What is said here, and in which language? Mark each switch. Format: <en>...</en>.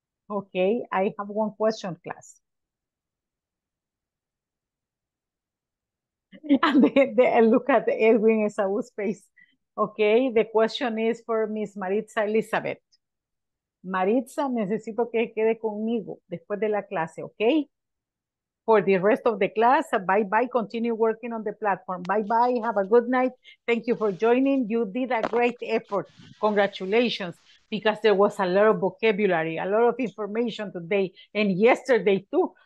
<en>Okay, I have one question, class. And look at Edwin Esau's face. Okay, the question is for Miss Maritza Elizabeth.</en> <es>Maritza, necesito que quede conmigo después de la clase, okay?</es> <en>For the rest of the class, bye-bye, continue working on the platform. Bye-bye, have a good night. Thank you for joining. You did a great effort. Congratulations, because there was a lot of vocabulary, a lot of information today, and yesterday too.</en>